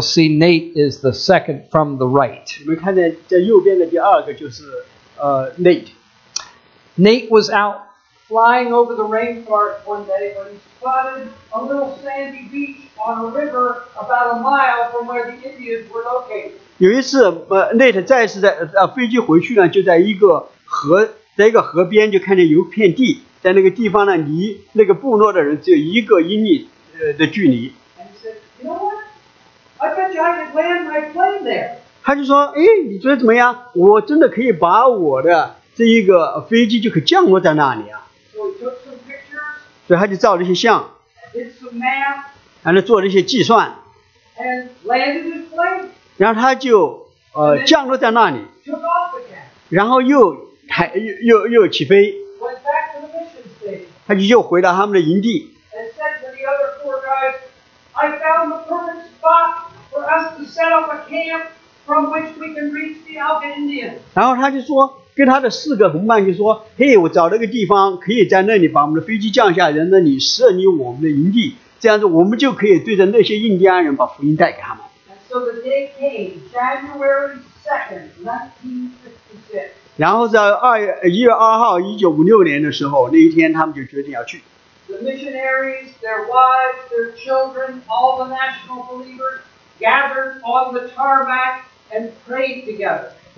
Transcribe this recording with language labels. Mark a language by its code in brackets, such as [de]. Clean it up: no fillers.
[en] see Nate is the second from the right. [zh] 你们看见在右边的第二个就是Nate. [en] Nate was out flying over the rainforest one day when he spotted a little sandy beach on a river about a mile from where the Indians were located. [zh] 有一次，Nate再一次在飞机回去呢，就在一个河边就看见有片地，在那个地方呢，离那个部落的人只有一个英里的距离。 [en] And he said, "You know what? I bet you I could land my plane there." [zh] 他就说，哎，你觉得怎么样？我真的可以把我的 这一个飞机就可降落在那里啊！ [en] So he took some pictures, [zh] 所以他就照了一些相， 做了一些计算， [en] and landed his plane. [zh] 然后他就降落在那里， [en] took off again. [zh] 然后又起飞， [en] went back to the mission station. [zh] 他就又回到他们的营地， [en] and said to the other four guys, "I found the perfect spot for us to set up a camp from which we can reach the Alca Indians." [zh] 然后他就说， 跟他的四个同伴就说，嘿，我找了个地方，可以在那里把我们的飞机降下来，在那里设立我们的营地，这样子我们就可以对着那些印第安人把福音带给他们。 [en] And so the day came, January 2nd, 1956. The missionaries, their wives, their children, all the national believers gathered on the tarmac and prayed together.